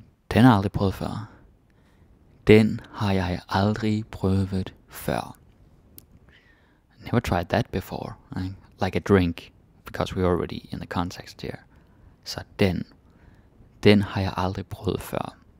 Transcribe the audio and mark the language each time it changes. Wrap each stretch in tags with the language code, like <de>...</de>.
<da>Den har jeg aldrig prøvet før. Den har jeg aldrig prøvet før.</da> <en>Never tried that before, right? Like a drink, because we're already in the context here. So den.</en> <da>Den har jeg aldrig prøvet før.</da>